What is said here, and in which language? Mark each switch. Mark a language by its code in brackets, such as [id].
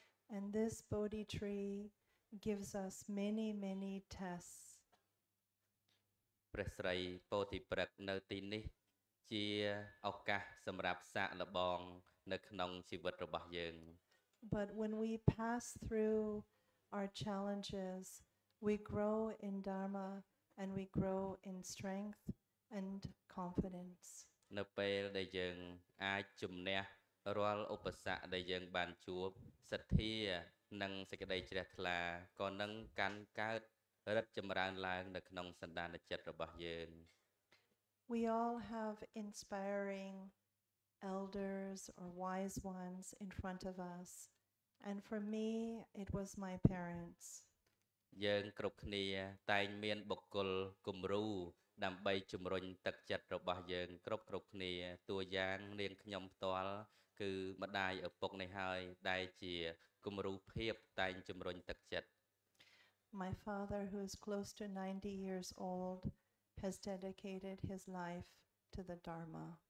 [en] And this Bodhi tree gives us many many tests [km] ព្រះស្រីពោធិព្រឹក្សនៅទីនេះជាឱកាសសម្រាប់សាកល្បងនៅក្នុងជីវិតរបស់យើង [en] But when we pass through our challenges we grow in dharma and we grow in strength and confidence [km] នៅពេលដែលយើងអាចជំនះរាល់ឧបសគ្គដែលយើងបានជួបសទ្ធានិងសេចក្តីជ្រះថ្លាក៏នឹងកាន់កើតរិទ្ធចម្រើនឡើងនៅក្នុងសន្តានចិត្តរបស់យើង [en] We all have inspiring elders or wise ones in front of us and for me it was my parents [km] យើងគ្រប់គ្នាតែងមានបុគ្គលគំរូដើម្បីជំរុញទឹកចិត្តរបស់យើងគ្រប់គ្នាតួយ៉ាងនាងខ្ញុំផ្ទាល់គឺម្ដាយឪពុកនេះហើយដែលជាគំរូភាពតែងជំរុញទឹកចិត្ត [en] My father, who is close to 90 years old, has dedicated his life to the Dharma.